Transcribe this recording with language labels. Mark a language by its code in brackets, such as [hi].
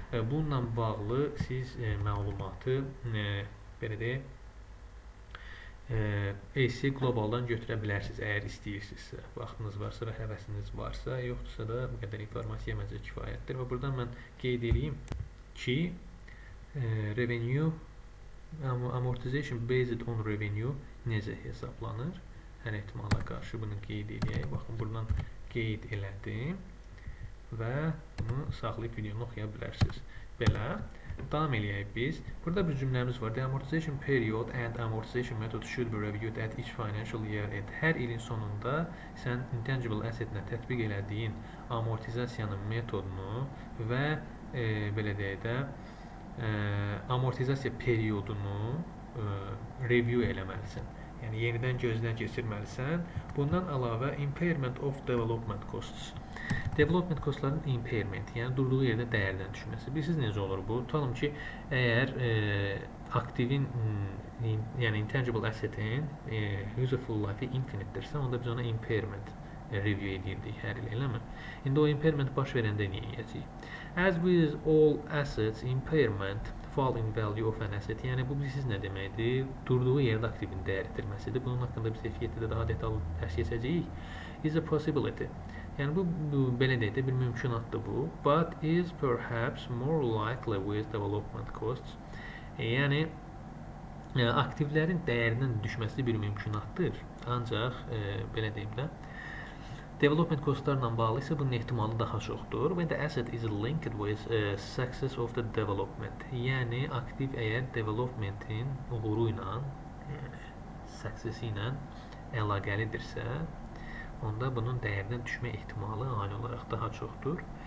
[az] Bununla bağlı siz məlumatı belə deyək, AC Global'dan götürə bilərsiniz əgər istəyirsinizsə, vaxtınız varsa və həvəsiniz varsa, yoxdursa da bu qədər informasiya məncə kifayətdir. Və buradan mən qeyd edeyim ki Revenue [en] Amortization based on revenue [az] necə hesablanır? Hər ehtimala qarşı bunu qeyd edək. Baxın, buradan qeyd elədim. Və bunu saxlayıb videonu oxuya bilərsiniz. Belə, devam edək biz. Burada bir cümləmiz var. [en] The amortization period and amortization method should be reviewed at each financial year end. [az] Hər ilin sonunda sən intangible assetinə tətbiq elədiyin amortizasiyanın metodunu və belə deyək də, amortizasiya periodunu review eləməlisən. Yəni, yenidən gözdən keçirməlisən. Bundan əlavə, impairment of development costs. Development costların impairment, yəni durduğu yerdə dəyərdən düşməsi. Bilirsiniz, necə olur bu? Tutalım ki, əgər aktivin, yəni intangible assetin useful life-i infinite-dirsə, onda biz ona impairment review edirdik hər ilə, eləmi? İndi o impairment baş verəndə niyə yiyəcəyik? [en] As with all assets, impairment fall in value of an asset. [az] Yəni, bu bilirsiniz nə deməkdir? Durduğu yerdə aktivin dəyərdirməsidir. Bunun haqqında biz efiyyətdə də daha detallı təhsiləcəyik. [en] Is a possibility. [az] Yəni, bu belə deyək də bir mümkünatdır bu. [en] But is perhaps more likely with development costs. [az] Yəni, aktivlərin dəyərindən düşməsi bir mümkünatdır. Ancaq, belə deyim də, development costlarla bağlı isə bunun ehtimalı daha çoxdur. [en] When the asset is linked with success of the development. [az] Yəni, aktiv əgər developmentin uğuru ilə, successi ilə əlaqəlidirsə, onda bunun dəyərindən düşmə ehtimalı ani olaraq daha çoxdur.